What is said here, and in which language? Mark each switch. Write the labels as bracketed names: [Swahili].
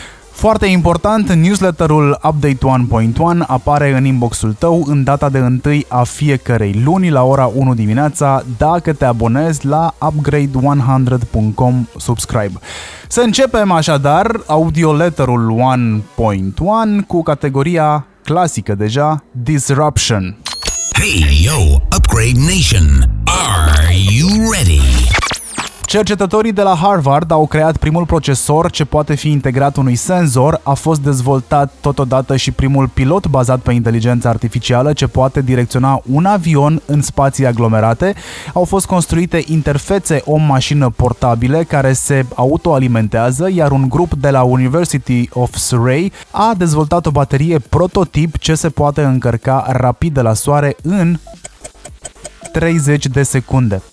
[Romanian] Foarte important, newsletterul Update 1.1 apare în inboxul tău în data de 1 a fiecărei luni la ora 1 dimineața dacă te abonezi la upgrade100.com subscribe. Să începem așadar audioletterul 1.1 cu categoria clasică deja, Disruption. [English] Hey yo, Upgrade Nation, are you ready? [Romanian] Cercetătorii de la Harvard au creat primul procesor ce poate fi integrat unui senzor, a fost dezvoltat totodată și primul pilot bazat pe inteligență artificială ce poate direcționa un avion în spații aglomerate, au fost construite interfețe om-mașină portabile care se autoalimentează, iar un grup de la University of Surrey a dezvoltat o baterie prototip ce se poate încărca rapid de la soare în 30 de secunde.